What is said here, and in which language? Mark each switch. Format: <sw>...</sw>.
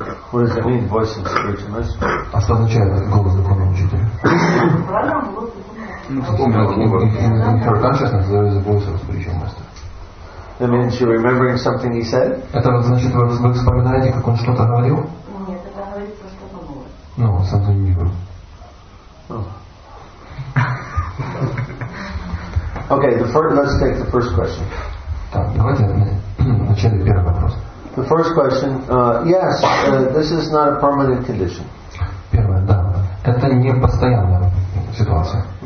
<en>what does it mean, voice of spiritual master?</en> <ru>А что означает голос духовного учителя?</ru> <en>In her consciousness there is a voice of spiritual master. That means you're remembering something he said?</en> <ru>Это значит, вы вспоминаете, как он что-то говорил? Нет, это говорится что-то новое.</ru> <en>No, something new. Okay, let's take the first question. The first question, yes, this is not a permanent condition.</en> <ru>Первое, да. Это не постоянная ситуация.</ru>